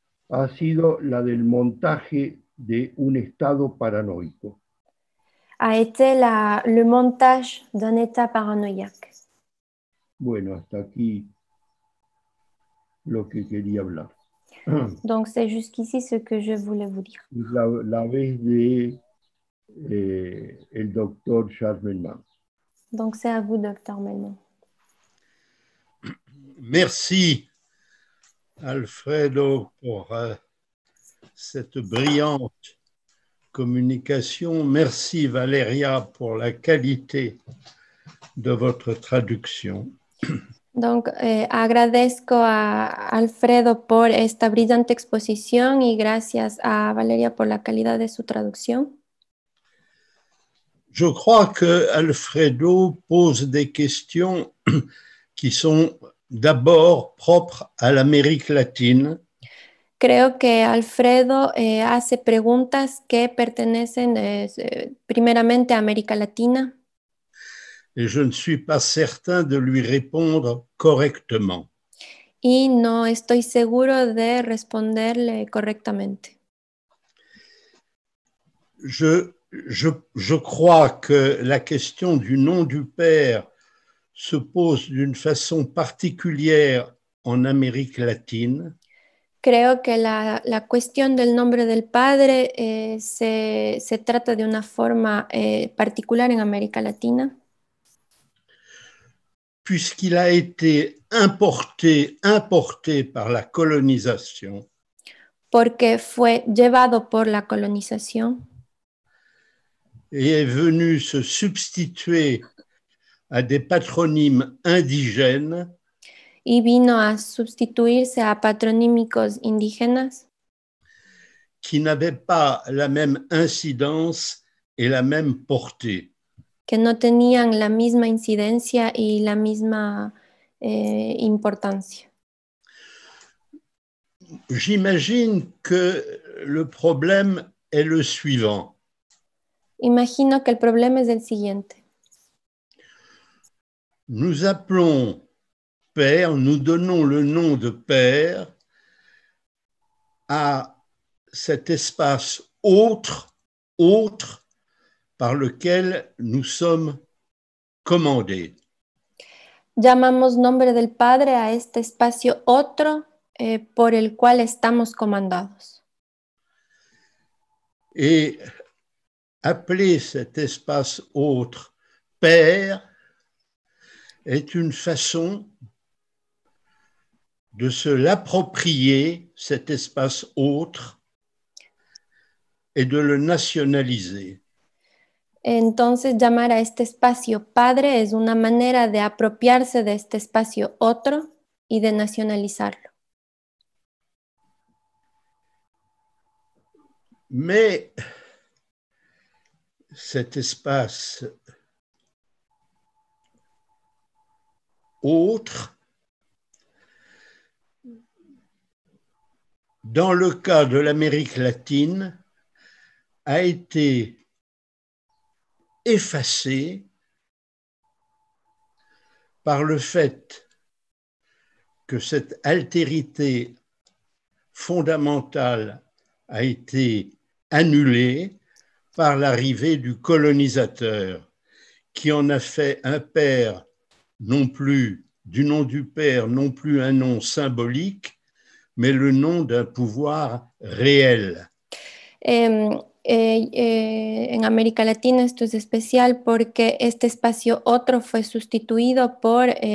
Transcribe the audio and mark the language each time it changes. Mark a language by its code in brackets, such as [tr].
[es] ha sido la del montaje de un estado paranoico. [fr] A été le montage d'un état paranoïaque. [es] Bueno, hasta aquí lo que quería hablar. [fr] Donc, c'est jusqu'ici ce que je voulais vous dire. [es] La vez de el doctor Charbonneau. [fr] Donc, c'est à vous, docteur Melman. Merci, Alfredo, pour cette brillante communication. Merci, Valeria, pour la qualité de votre traduction. [es] Donc, agradezco a Alfredo por esta brillante exposición y gracias a Valeria por la calidad de su traducción. [fr] Je crois que Alfredo pose des questions qui sont d'abord propres à l'Amérique latine. [es] Creo que Alfredo hace preguntas que pertenecen primeramente a América Latina. [fr] Et je ne suis pas certain de lui répondre correctement. [es] Y no estoy seguro de responderle correctamente. [fr] Je crois que la question du nom du père se pose d'une façon particulière en Amérique latine. [es] Creo que la cuestión del nombre del padre se trata de una forma particular en América Latina. [fr] Puisqu'il a été importé par la colonisation, [es] Porque fue llevado por la colonización. [fr] et est venu se substituer à des patronymes indigènes, [es] Y vino a sustituirse a patronímicos indígenas. [fr] qui n'avaient pas la même incidence et la même portée. [es] Que no tenían la misma incidencia y la misma importancia. [fr] J'imagine que le problème est le suivant. [es] Imagino que el problema es el siguiente. [fr] Nous appelons père, nous donnons le nom de père à cet espace autre, par lequel nous sommes commandés. [es] Llamamos nombre del padre a este espacio otro por el cual estamos comandados. [fr] Et appeler cet espace autre père est une façon de se l'approprier, cet espace autre, et de le nationaliser. [es] Entonces, llamar a este espacio padre es una manera de apropiarse de este espacio otro y de nacionalizarlo. [fr] Mais cet espace autre, dans le cas de l'Amérique latine, a été effacé par le fait que cette altérité fondamentale a été annulée par l'arrivée du colonisateur, qui en a fait un père, non plus du nom du père, non plus un nom symbolique, mais le nom d'un pouvoir réel. [es] En América Latina esto es especial porque este espacio otro fue sustituido por